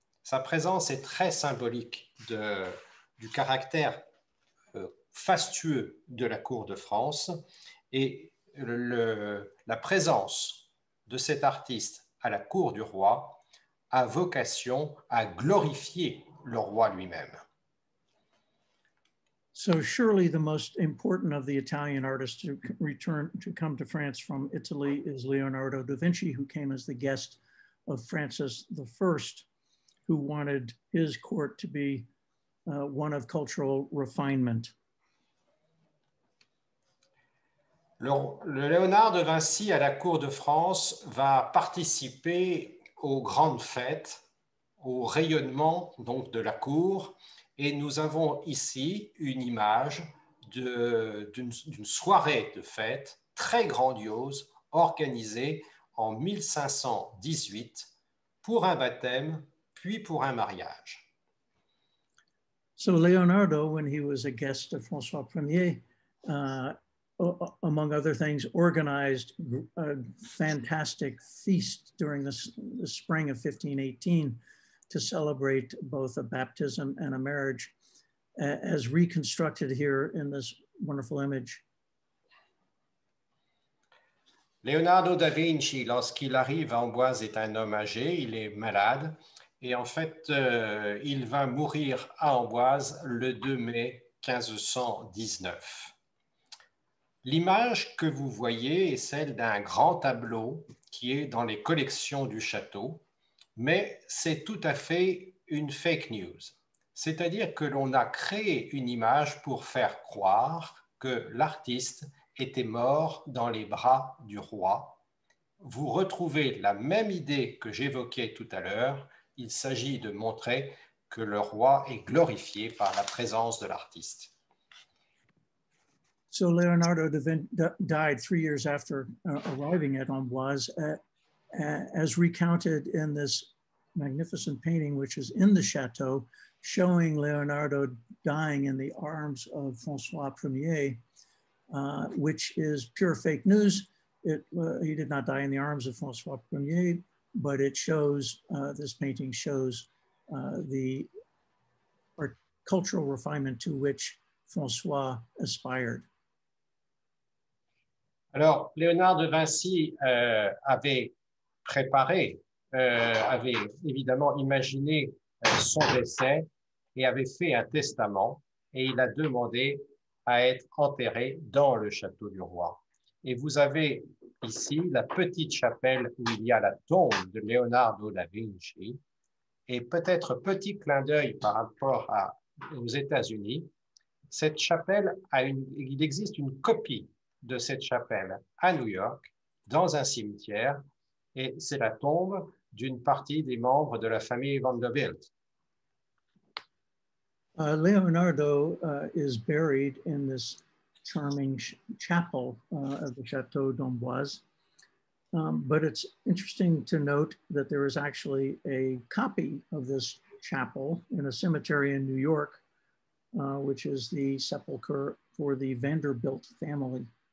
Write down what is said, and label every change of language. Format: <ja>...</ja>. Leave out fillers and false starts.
<fr>Sa présence est très symbolique du caractère fastueux de la cour de France, et la présence de cet artiste à la cour du roi a vocation à glorifier le roi lui-même.</fr> <en>So surely the most important of the Italian artists to return to come to France from Italy is Leonardo da Vinci, who came as the guest of Francis I, who wanted his court to be one of cultural refinement.</en> <fr>Le Léonard de Vinci à la cour de France va participer aux grandes fêtes, au rayonnement donc de la cour, et nous avons ici une image d'une soirée de fête très grandiose organisée en 1518 pour un baptême puis pour un mariage.</fr> <en>So Leonardo, when he was a guest of François Ier, among other things, organized a fantastic feast during the spring of 1518 to celebrate both a baptism and a marriage, as reconstructed here in this wonderful image.</en> <fr>Leonardo da Vinci, lorsqu'il arrive à Amboise, est un homme âgé, il est malade, et en fait, il va mourir à Amboise le 2 mai 1519. L'image que vous voyez est celle d'un grand tableau qui est dans les collections du château, mais c'est tout à fait une fake news. C'est-à-dire que l'on a créé une image pour faire croire que l'artiste était mort dans les bras du roi. Vous retrouvez la même idée que j'évoquais tout à l'heure. Il s'agit de montrer que le roi est glorifié par la présence de l'artiste.</fr> <en>So Leonardo died 3 years after arriving at Amboise, as recounted in this magnificent painting, which is in the chateau, showing Leonardo dying in the arms of François Ier, which is pure fake news. He did not die in the arms of François Ier, but it shows, this painting shows the cultural refinement to which François aspired.</en> <fr>Alors, Léonard de Vinci avait préparé, avait évidemment imaginé son décès et avait fait un testament, et il a demandé à être enterré dans le château du roi. Et vous avez ici la petite chapelle où il y a la tombe de Leonardo da Vinci. Et peut-être petit clin d'œil par rapport aux États-Unis, cette chapelle, il existe une copie de cette chapelle à New York, dans un cimetière, et c'est la tombe d'une partie des membres de la famille Vanderbilt.</fr> <en>Leonardo is buried in this charming chapel of the Château d'Amboise. But it's interesting to note that there is actually a copy of this chapel in a cemetery in New York, which is the sepulcher for the Vanderbilt family.</en>